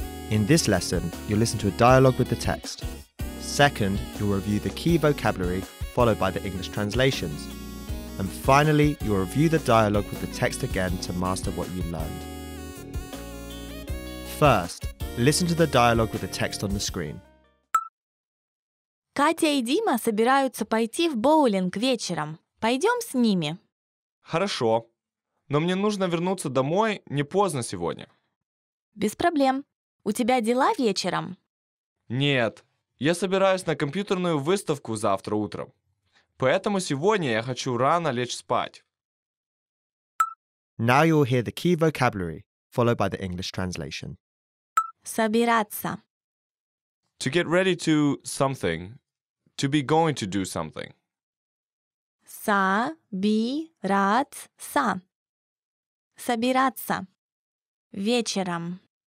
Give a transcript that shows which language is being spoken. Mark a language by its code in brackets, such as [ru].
[en] In this lesson, you'll listen to a dialogue with the text. Second, you'll review the key vocabulary followed by the English translations. And finally, you'll review the dialogue with the text again to master what you learned. First, listen to the dialogue with the text on the screen. [ru] Катя и Дима собираются пойти в боулинг вечером. Пойдем с ними. Хорошо. Но мне нужно вернуться домой не поздно сегодня. Без проблем. У тебя дела вечером? Нет. Я собираюсь на компьютерную выставку завтра утром. Поэтому сегодня я хочу рано лечь спать. [en] Now you'll hear the key vocabulary, followed by the English translation. [ru] Собираться. [en] To get ready to something. To be going to do something. [ru] Собираться. Собираться. Вечером.